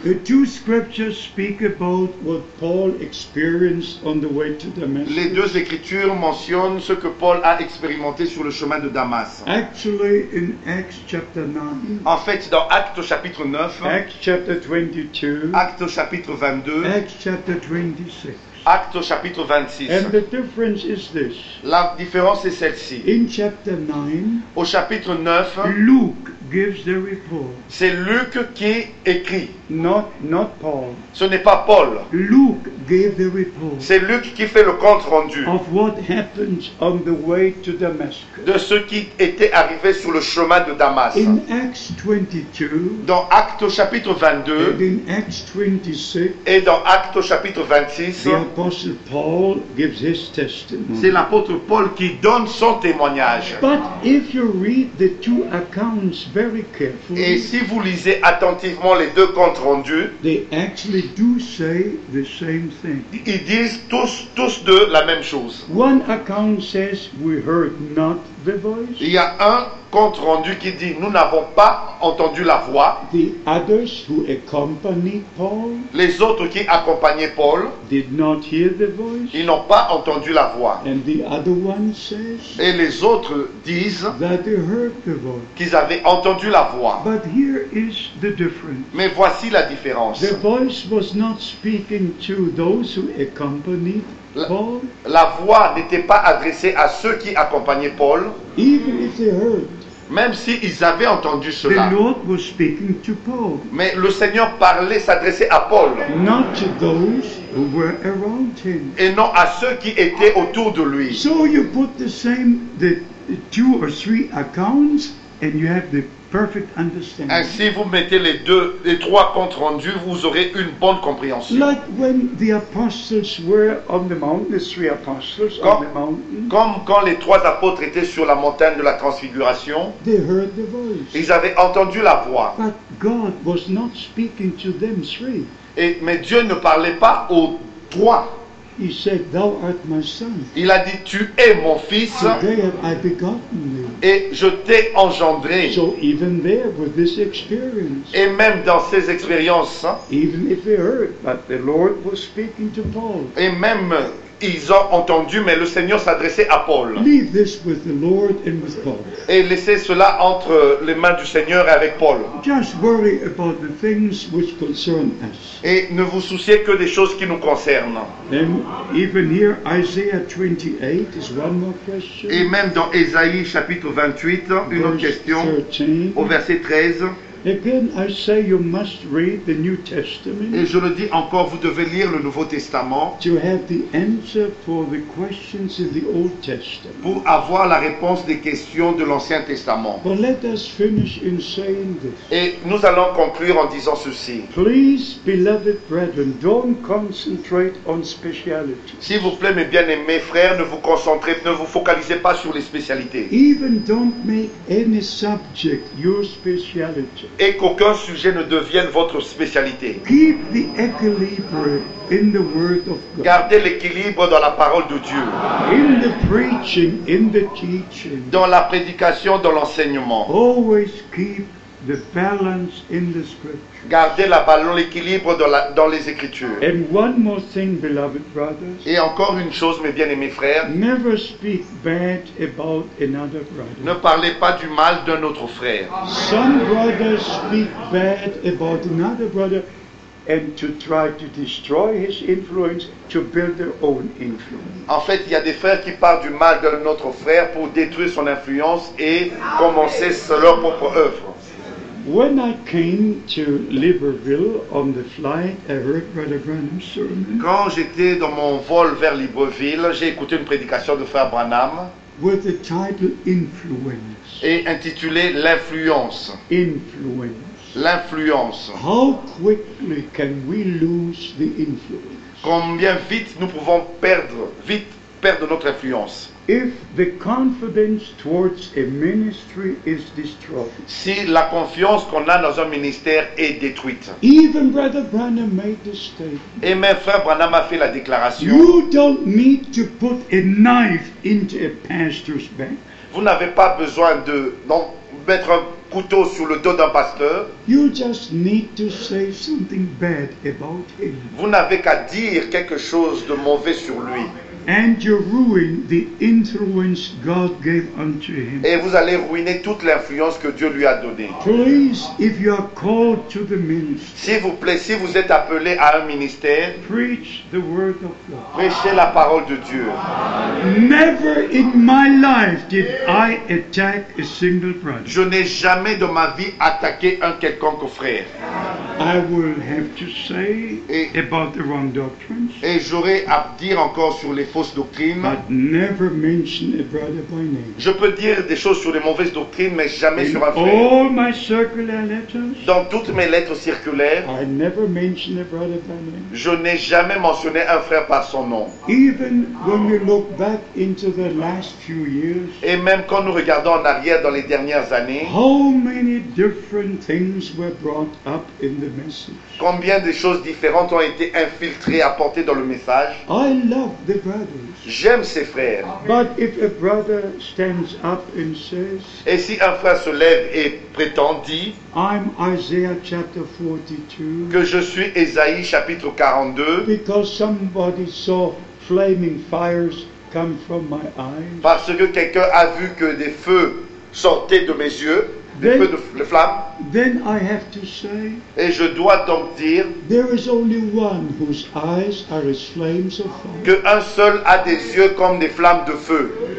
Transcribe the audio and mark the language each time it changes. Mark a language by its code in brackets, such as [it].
[en] The two scriptures speak about what Paul experienced on the way to Damascus. [fr] Les deux écritures mentionnent ce que Paul a expérimenté sur le chemin de Damas. [en] Actually in Acts chapter 9. [fr] En fait dans Actes chapitre 9. [en] Acts chapter 22. [fr] Actes chapitre 22. [en] Acts chapter 26. [fr] Acte chapitre 26. [en] And the difference is this. [fr] La différence est celle-ci. [en] In chapter 9, [fr] au chapitre 9, [en] Luke gives the report. [fr] C'est Luc qui écrit. [en] Not Paul. [fr] Ce n'est pas Paul. [en] Luke gave the report. [fr] C'est Luc qui fait le compte rendu. [en] Of what happened on the way to Damascus. [fr] De ce qui était arrivé sur le chemin de Damas. [en] In Acts 22. [fr] Dans Acte chapitre 22. [en] And in Acts 26. [fr] Et dans Acte chapitre 26. [en] The apostle Paul gives his testimony. [fr] C'est l'apôtre Paul qui donne son témoignage. [en] But if you read the two accounts very carefully. [fr] Et si vous lisez attentivement les deux comptes rendus, [en] they actually do say the same same thing. [fr] Ils disent tous deux la même chose. [en] One account says we heard not the voice. [fr] Il y a un compte rendu qui dit nous n'avons pas entendu la voix. [en] The others who accompanied Paul. [fr] Les autres qui accompagnaient Paul. [en] Did not hear the voice. [fr] Ils n'ont pas entendu la voix. [en] And the other one says. [fr] Et les autres disent. [en] That they heard the voice. [fr] Qu'ils avaient entendu la voix. [en] But here is the difference. [fr] Mais voici la différence. [en] The voice was not speaking to those who accompanied Paul. [fr] La voix n'était pas adressée à ceux qui accompagnaient Paul. [en] Even if they heard. [fr] Même s'ils avaient entendu cela. [en] The Lord was speaking to Paul. [fr] Mais le Seigneur parlait, s'adressait à Paul. [en] Not to those who were around him. [fr] Et non à ceux qui étaient autour de lui. [en] So you put the same, the two or three accounts, and you have the perfect understanding. [fr] Ainsi, vous mettez les trois comptes rendus, vous aurez une bonne compréhension. [en] Like when the apostles were on the mountain, the three apostles on the mountain. [fr] Comme quand les trois apôtres étaient sur la montagne de la Transfiguration. [en] They heard the voice. [fr] Ils avaient entendu la voix. [en] But God was not speaking to them three. [fr] Mais Dieu ne parlait pas aux trois. [en] He said, "Thou art my son." [fr] Il a dit, tu es mon fils. [en] Today have I begotten thee. [fr] Et je t'ai engendré. [en] So even there with this experience. [fr] Et même dans ces expériences. [en] Even if they heard, but the Lord was speaking to Paul. [fr] Et même ils ont entendu, mais le Seigneur s'adressait à Paul. [en] Leave this with the Lord and with Paul. [fr] Et laissez cela entre les mains du Seigneur et avec Paul. [en] Just worry about the things which concern us. [fr] Et ne vous souciez que des choses qui nous concernent. [en] And even here, Isaiah 28 is one more question. [fr] Et même dans Ésaïe chapitre 28, une [en] verse [fr] autre question, [en] 13. [fr] Au verset 13. [en] Again, I say you must read the New Testament. [fr] Et je le dis encore, vous devez lire le Nouveau Testament. [en] To have the answer for the questions in the Old Testament. [fr] Pour avoir la réponse des questions de l'Ancien Testament. [en] But let us finish in saying this. [fr] Et nous allons conclure en disant ceci. [en] Please, beloved brethren, don't concentrate on specialities. [fr] S'il vous plaît, mes bien-aimés frères, ne vous focalisez pas sur les spécialités. [en] Even don't make any subject your speciality. [fr] Et qu'aucun sujet ne devienne votre spécialité. [en] Keep the equilibrium in the word of God. [fr] Gardez l'équilibre dans la parole de Dieu. [en] In the preaching, in the teaching. [fr] Dans la prédication, dans l'enseignement. [en] Always keep the balance in the scriptures. [fr] Gardez la balance, l'équilibre dans les Écritures. [en] And one more thing, beloved brothers. [fr] Et encore une chose, mes bien-aimés frères. [en] Never speak bad about another brother. [fr] Ne parlez pas du mal d'un autre frère. [en] Some brothers speak bad about another brother and to try to destroy his influence to build their own influence. [fr] En fait, il y a des frères qui parlent du mal d'un autre frère pour détruire son influence et commencer leur propre œuvre. [en] When I came to Libreville on the flight, I heard Brother Branham's sermon. [fr] Quand j'étais dans mon vol vers Libreville, j'ai écouté une prédication de Frère Branham. [en] With the title Influence. [fr] Et intitulée L'influence. [en] Influence. [fr] L'influence. [en] How quickly can we lose the influence? [fr] Combien vite nous pouvons perdre notre influence? [en] If the confidence towards a ministry is destroyed. [fr] Si la confiance qu'on a dans un ministère est détruite. [en] Even Brother Branham made the statement. [fr] Et même Frère Branham a fait la déclaration. [en] You don't need to put a knife into a pastor's back. [fr] Vous n'avez pas besoin de mettre un couteau sur le dos d'un pasteur. [en] You just need to say something bad about him. [fr] Vous n'avez qu'à dire quelque chose de mauvais sur lui. [en] And you ruin the influence God gave unto him. [fr] Et vous allez ruiner toute l'influence que Dieu lui a donnée. [en] Please, if you are called to the ministry. [fr] S'il vous plaît, si vous êtes appelé à un ministère. [en] Preach the word of God. [fr] Prêchez la parole de Dieu. [en] Never in my life did I attack a single brother. [fr] Je n'ai jamais dans ma vie attaqué un quelconque frère. [en] I will have to say about the wrong doctrines. [fr] Et j'aurai à dire encore sur les fausses doctrines. [en] But never mention a brother by name. [fr] Je peux dire des choses sur les mauvaises doctrines, mais jamais [en] in [fr] sur un frère. [en] All my circular letters, [fr] dans toutes mes lettres circulaires, [en] I never mention a brother by name. [fr] Je n'ai jamais mentionné un frère par son nom. [en] Even when we look back into the last few years, [fr] et même quand nous regardons en arrière dans les dernières années, [en] how many different things were brought up in the [fr] Combien de choses différentes ont été infiltrées, apportées dans le message. [en] I love the brothers. [fr] J'aime ces frères. [en] But if a brother stands up and says, [fr] et si un frère se lève et prétend, dit, [en] I'm Isaiah chapter 42, [fr] que je suis Esaïe chapitre 42, [en] because somebody saw flaming fires come from my eyes, [fr] parce que quelqu'un a vu que des feux sortaient de mes yeux, des feux de flammes. [en] Then I have to say, [fr] et je dois donc dire, [en] there is only one whose eyes are as flames of fire. [fr] Que un seul a des yeux comme des flammes de feu.